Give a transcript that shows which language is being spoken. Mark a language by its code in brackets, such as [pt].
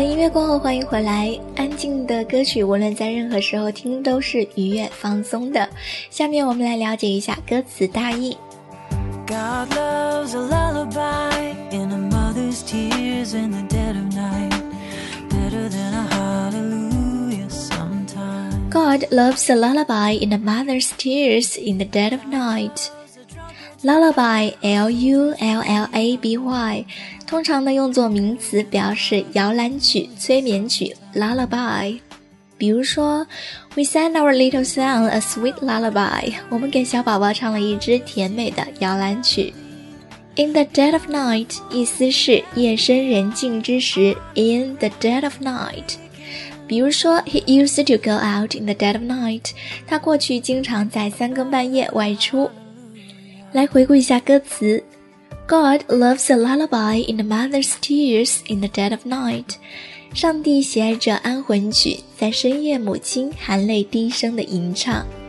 [zh] 歌曲无论在任何时候听都是愉悦放松的。下面我们来了解一下歌词大意。 [en] God loves a lullaby in a mother's tears in the dead of night. Better than a hallelujah sometime. God loves a lullaby in a mother's tears in the dead of night. [zh] Lullaby, L-U-L-L-A-B-Y， 通常呢用作名词表示摇篮曲、催眠曲 Lullaby。比如说 [en] We sang our little son a sweet lullaby， [zh] 我们给小宝宝唱了一支甜美的摇篮曲。 [en] In the dead of night， [zh] 意思是夜深人静之时。 [en] In the dead of night， [zh] 比如说 [en] He used to go out in the dead of night， [zh] 他过去经常在三更半夜外出。来回顾一下歌词， [en] God loves a lullaby in the mother's tears in the dead of night， [zh] 上帝喜爱着安魂曲，在深夜母亲含泪低声的吟唱。